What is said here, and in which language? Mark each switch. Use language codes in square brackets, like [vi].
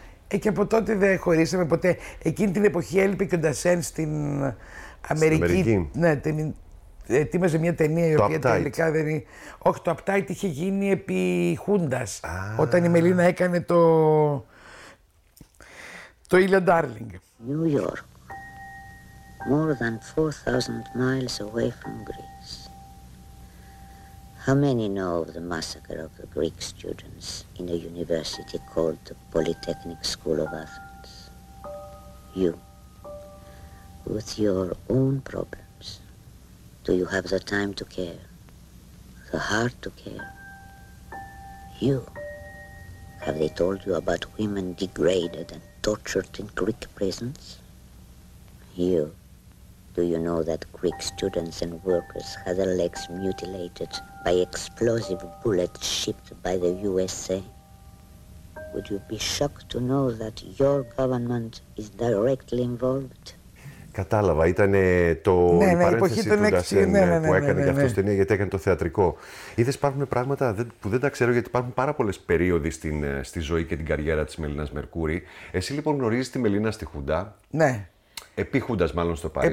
[el] Και από τότε δεν χωρίσαμε ποτέ. Εκείνη την εποχή έλειπε και ο Ντασέν στην Αμερική. Ετοίμαζε μια ταινία η οποία τελικά δεν είναι. Όχι, το Uptight είχε γίνει επί Χούντας. Όταν η Μελίνα έκανε το Ήλιον Ντάρλινγκ. [en] New York. More than 4,000 miles away from Greece. How many know of the massacre of the Greek students in a university called the Polytechnic School of Athens? You. With your own problem. Do you have the time to care, the heart to care? You, have they told you about women degraded and tortured in Greek prisons? You, do you know that Greek students and workers had their legs mutilated by explosive bullets shipped by the USA? Would you be shocked to know that your government is directly involved? [el] Κατάλαβα, ήταν η παρένθεση του Ντασέν που έκανε για αυτό στην ταινία, γιατί έκανε το θεατρικό. Είδες, υπάρχουν πράγματα που δεν τα ξέρω, γιατί υπάρχουν πάρα πολλές περίοδοι στη ζωή και την καριέρα της Μελίνας Μερκούρη. Εσύ λοιπόν γνωρίζεις τη Μελίνα στη Χούντα. Ναι. Επί Χούντας, μάλλον στο Παρίσι.